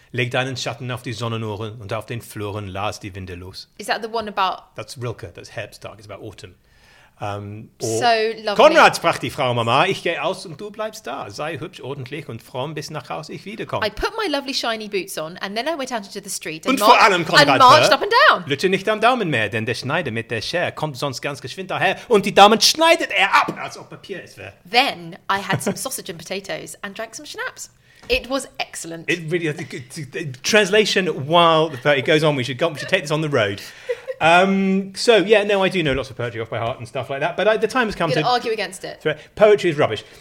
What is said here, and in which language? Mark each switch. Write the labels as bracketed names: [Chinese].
[German] Leg deinen Schatten auf die Sonnenuhren und auf den Fluren las die Winde los. [English] Is that the one about... That's Rilke, that's Herbsttag, it's about autumn. So lovely. [German] Konrad, sprach die Frau Mama, ich gehe aus und du bleibst da. Sei hübsch, ordentlich und fromm, bis nach Haus ich wiederkomme. [English] I put my lovely shiny boots on and then I went out into the street [German] und vor allem, Konrad, [English] and marched up and down. [German] Lütte nicht am Daumen mehr, denn der Schneider mit der Schere kommt sonst ganz geschwind daher und die Daumen schneidet ab, als ob Papier es wäre. [English] Then I had some sausage and potatoes and drank some schnapps. It was excellent. It really, translation, while the poetry goes on, we should take this on the road. So yeah, no, I do know lots of poetry off by heart and stuff like that. But the time has come to argue against it. Poetry is rubbish.